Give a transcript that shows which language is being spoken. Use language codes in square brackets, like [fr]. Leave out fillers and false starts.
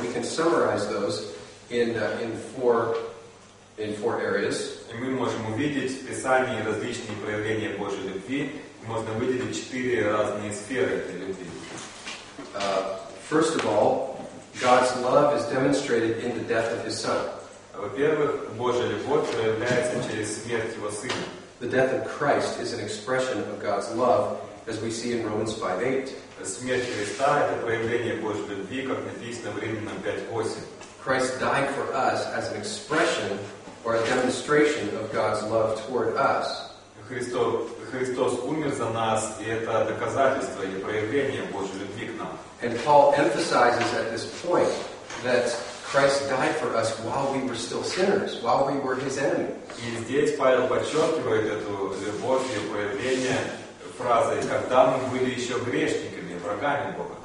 [en] We can summarize those in four areas. [ru] И мы можем увидеть в Писании различные проявления Божьей любви. Можно выделить четыре разные сферы этой любви. [en] First of all, God's love is demonstrated in the death of His Son. [ru] Во-первых, Божья любовь проявляется через смерть Его Сына. [en] The death of Christ is an expression of God's love, as we see in Romans 5:8. [ru] Смерть Христа — это проявление Божьей любви, как написано в Римлянам 5:8. [en] Christ died for us as an expression or a demonstration of God's love toward us. [ru] Христос умер за нас, и это доказательство и проявление Божьей любви к нам. [en] And Paul emphasizes at this point that Christ died for us while we were still sinners, while we were His enemy. [ru] И здесь Павел подчеркивает эту любовь и проявление фразой, когда мы были еще грешниками, врагами Бога.